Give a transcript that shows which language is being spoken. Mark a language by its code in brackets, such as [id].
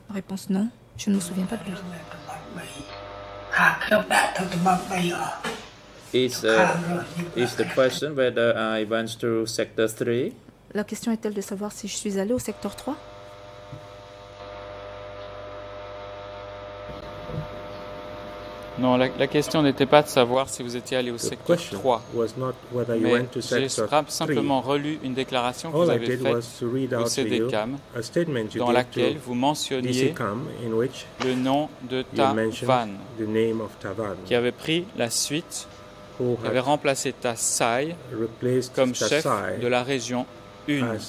[fr] Réponse, non, je ne me souviens pas de lui. [en] Is the question whether I went to sector 3? [fr] La question est-elle de savoir si je suis allé au secteur 3? Non, la question n'était pas de savoir si vous étiez allé au secteur 3, mais j'ai simplement relu une déclaration que vous avez faite au CDCAM, dans laquelle vous mentionniez le nom de Ta Van, qui avait pris la suite, qui avait remplacé Ta Sai comme chef de la région 1.